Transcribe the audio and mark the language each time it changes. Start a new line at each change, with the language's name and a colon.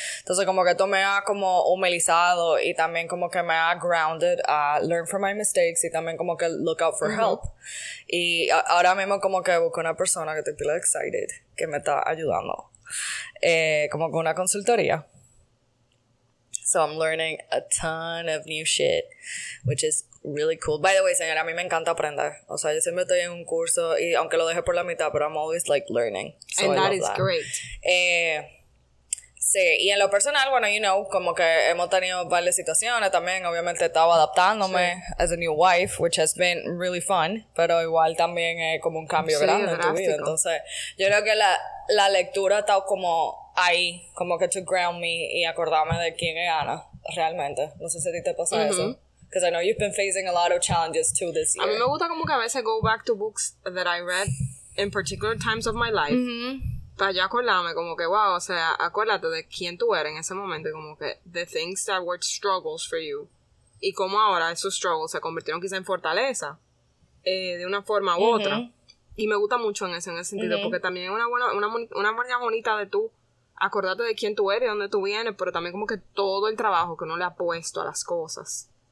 Spanish: Entonces como que esto me ha como humilizado y también como que me ha
English: grounded a learn from my mistakes
Spanish: y también como que
English: look out for help.
Spanish: Y ahora mismo como que busco una persona que te
English: feel excited,
Spanish: que me está ayudando, como con una consultoría.
English: So I'm learning a ton of new shit, which is really cool. By the way,
Spanish: señora, a mí me encanta aprender. O sea, yo siempre estoy en un curso y aunque lo deje por la mitad, pero
English: I'm always like learning. So and that is that. Great.
Spanish: Sí, y en lo personal, bueno,
English: you know,
Spanish: como que hemos tenido varias situaciones también. Obviamente estaba adaptándome
English: as a new wife, which has been really fun.
Spanish: Pero igual también es como un cambio grande drástico en tu vida. Entonces, yo creo que la lectura está como ahí, como que
English: to ground me
Spanish: y acordarme de quién es Ana, realmente. No sé si a ti te pasa eso.
English: Because I know you've been facing a lot of challenges too this year.
Spanish: A mí me gusta como que a veces
English: go back to books that I read in particular times of my life.
Spanish: Para yo acordarme como que, wow, o sea, acuérdate de quién tú eres en ese momento. Como que
English: the things that were struggles for you.
Spanish: Y cómo ahora esos struggles se convirtieron quizá en fortaleza. De una forma u otra. Y me gusta mucho en ese sentido. Porque también es una manera bonita de tú acordarte de quién tú eres, dónde tú vienes. Pero también como que todo el trabajo que uno le ha puesto a las cosas.